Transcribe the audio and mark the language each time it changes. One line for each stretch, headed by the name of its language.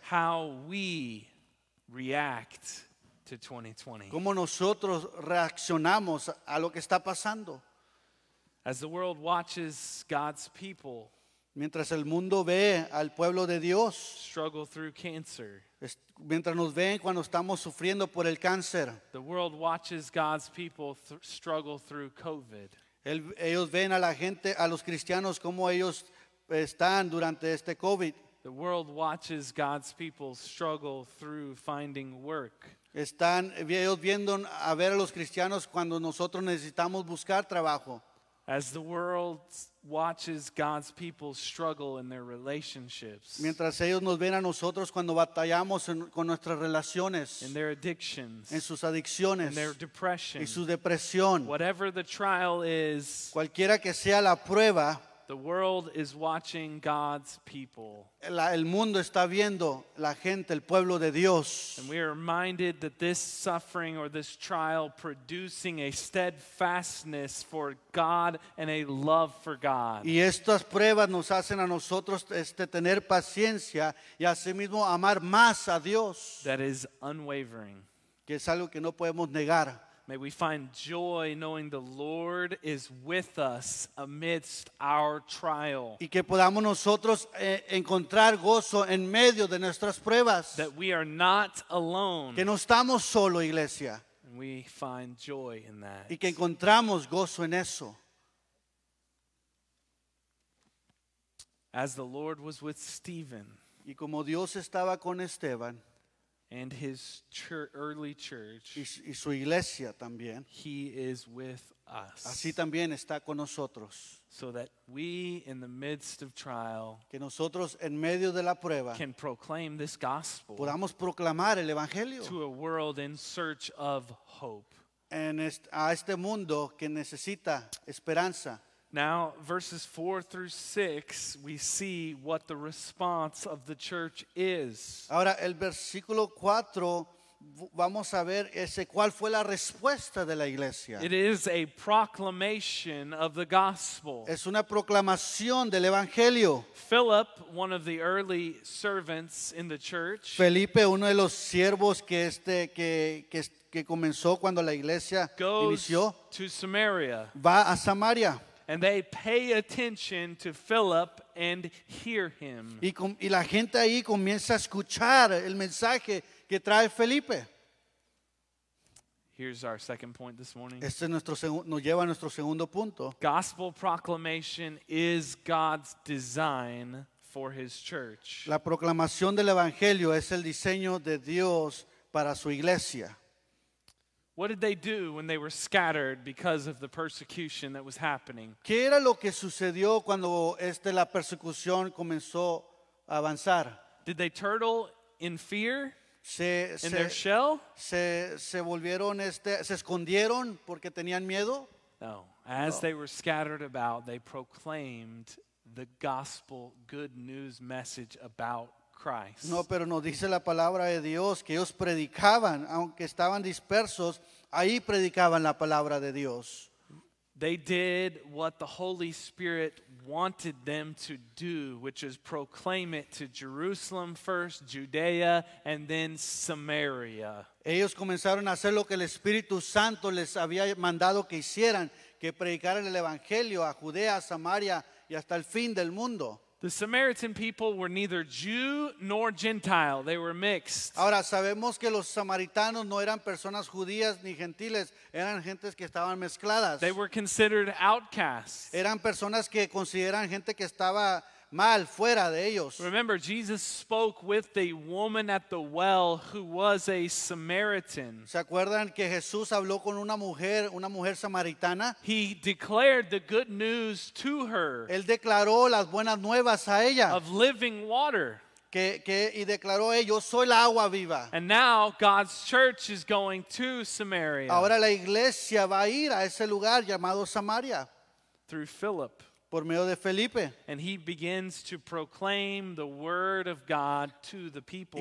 English: How we react to 2020.
Spanish: ¿Cómo nosotros reaccionamos a lo que está pasando?
English: As the world watches God's people,
Spanish: mientras el mundo ve al pueblo de Dios,
English: struggle through cancer,
Spanish: mientras nos ven cuando estamos sufriendo por el cáncer,
English: the world watches God's people struggle through COVID.
Spanish: Ellos ven a la gente, a los cristianos, cómo ellos están durante este COVID.
English: The world watches God's people struggle through finding work.
Spanish: Están ellos viendo a ver a los cristianos cuando nosotros necesitamos buscar trabajo.
English: As the world watches God's people struggle in their relationships.
Spanish: Mientras ellos nos ven a nosotros cuando batallamos con nuestras relaciones.
English: In their addictions.
Spanish: En sus adicciones.
English: In their depression.
Spanish: Y su depresión.
English: Whatever the trial is.
Spanish: Cualquiera que sea la prueba.
English: The world is watching God's people.
Spanish: El mundo está viendo la gente, el pueblo de Dios.
English: And we are reminded that this suffering or this trial producing a steadfastness for God and a love for God.
Spanish: Y estas pruebas nos hacen a nosotros tener paciencia y asimismo amar más a Dios.
English: That is unwavering.
Spanish: Que es algo que no podemos negar.
English: May we find joy knowing the Lord is with us amidst our trial.
Spanish: Y que podamos nosotros encontrar gozo en medio de nuestras pruebas.
English: That we are not alone.
Spanish: Que no estamos solo, iglesia.
English: And we find joy in that.
Spanish: Y que encontramos gozo en eso.
English: As the Lord was with Stephen.
Spanish: Y como Dios estaba con Esteban.
English: And his early church,
Spanish: y su iglesia también.
English: He is with us.
Spanish: Así también está con nosotros.
English: So that we, in the midst of trial,
Spanish: que nosotros en medio de la prueba,
English: can proclaim this gospel,
Spanish: podamos proclamar el evangelio,
English: to a world in search of hope,
Spanish: a este mundo que necesita esperanza.
English: Now, verses 4 through 6, we see what the response of the church is.
Spanish: Ahora, el versículo 4, vamos a ver cuál fue la respuesta de la iglesia.
English: It is a proclamation of the gospel.
Spanish: Es una proclamación del evangelio.
English: Philip, one of the early servants in the church.
Spanish: Felipe, uno de los siervos que comenzó cuando la iglesia inició.
English: Goes to Samaria.
Spanish: Va a Samaria.
English: And they pay attention to Philip and hear him.
Spanish: Y la gente ahí comienza a escuchar el mensaje que trae Felipe.
English: Here's our second point this morning.
Spanish: Este es nuestro segundo, nos lleva a nuestro segundo punto.
English: Gospel proclamation is God's design for his church.
Spanish: La proclamación del evangelio es el diseño de Dios para su iglesia.
English: What did they do when they were scattered because of the persecution that was happening?
Spanish: ¿Qué era lo que sucedió cuando la persecución comenzó a avanzar?
English: Did they turtle in fear?
Spanish: Se
English: their shell?
Spanish: Se volvieron se escondieron porque tenían miedo?
English: No. As they were scattered about, they proclaimed the gospel good news message about Christ.
Spanish: No, pero nos dice la palabra de Dios que ellos predicaban, aunque estaban dispersos, ahí predicaban la palabra de Dios.
English: They did what the Holy Spirit wanted them to do, which is proclaim it to Jerusalem first, Judea, and then Samaria.
Spanish: Ellos comenzaron a hacer lo que el Espíritu Santo les había mandado que hicieran, que predicaran el Evangelio a Judea, Samaria, y hasta el fin del mundo.
English: The Samaritan people were neither Jew nor Gentile. They were mixed.
Spanish: Ahora sabemos que los samaritanos no eran personas judías ni gentiles. Eran gentes que estaban mezcladas.
English: They were considered outcasts.
Spanish: Eran personas que consideran gente que estaba mal, fuera de ellos.
English: Remember, Jesus spoke with the woman at the well who was a Samaritan.
Spanish: ¿Se acuerdan que Jesús habló con una mujer samaritana?
English: He declared the good news to her.
Spanish: Él declaró las buenas nuevas a ella.
English: Of living water.
Spanish: Y declaró, yo soy la agua viva.
English: And now God's church is going to Samaria.
Spanish: Ahora la iglesia va a ir a ese lugar llamado Samaria.
English: Through Philip.
Spanish: Por medio de Felipe.
English: And he begins to proclaim the word of God to the people